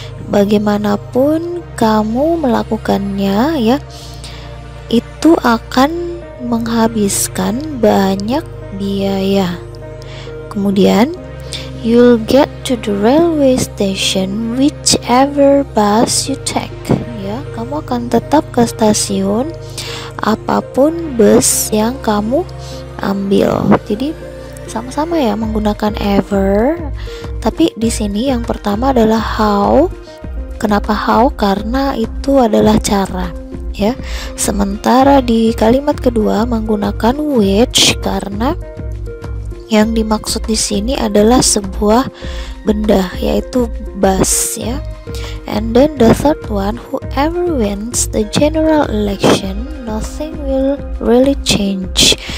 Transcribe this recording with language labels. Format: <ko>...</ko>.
<id>Bagaimanapun kamu melakukannya, ya, itu akan menghabiskan banyak biaya.</id> <en>Kemudian, you'll get to the railway station whichever bus you take.</en> <id>Ya, kamu akan tetap ke stasiun apapun bus yang kamu ambil. Jadi sama-sama ya menggunakan ever, tapi di sini yang pertama adalah how. Kenapa how? Karena itu adalah cara, ya. Sementara di kalimat kedua menggunakan which, karena yang dimaksud di sini adalah sebuah benda, yaitu bus, ya.</id> <en>And then the third one, whoever wins the general election, nothing will really change.</en>